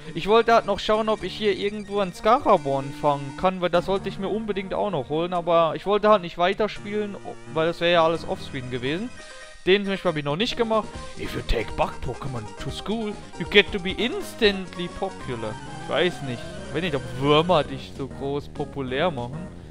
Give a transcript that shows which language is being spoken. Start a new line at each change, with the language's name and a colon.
German: Ich wollte halt noch schauen, ob ich hier irgendwo einen Scaraborn fangen kann, weil das wollte ich mir unbedingt auch noch holen, aber ich wollte halt nicht weiterspielen, weil das wäre ja alles offscreen gewesen. Den zum Beispiel habe ich noch nicht gemacht.
English: If you take bug Pokémon to school, you get to be instantly popular.
German: Ich weiß nicht. Wenn nicht, ob Würmer dich so groß populär machen.